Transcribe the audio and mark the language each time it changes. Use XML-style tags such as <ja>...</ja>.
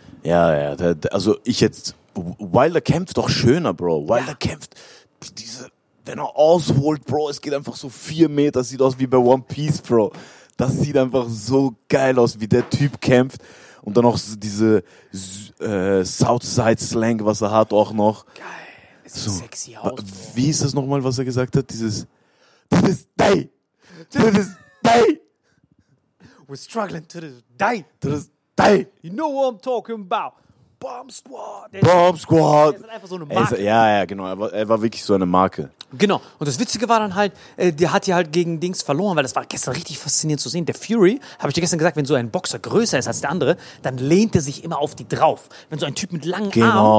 <de>Ja, ja, also ich jetzt, Wilder kämpft doch schöner, Bro, Wilder kämpft, wenn er ausholt, Bro, es geht einfach so 4 Meter, sieht aus wie bei One Piece, Bro. Das sieht einfach so geil aus, wie der Typ kämpft. und dann auch diese Southside-Slang, was er hat, auch noch. Geil, ist so sexy aus. Wie ist das nochmal, was er gesagt hat? Dieses,</de> <en>this is day, this is day. We're struggling to this day. To this day. You know what I'm talking about. Bomb Squad. Bomb Squad.</en> <de>Er ist einfach so eine Marke. Genau. Er war wirklich so eine Marke. Genau. Und das Witzige war dann halt, der hat ja halt gegen Dings verloren, weil das war gestern richtig faszinierend zu sehen. Der Fury, habe ich dir gestern gesagt, wenn so ein Boxer größer ist als der andere, dann lehnt er sich immer auf die drauf. Wenn so ein Typ mit langen Armen... Genau,</de>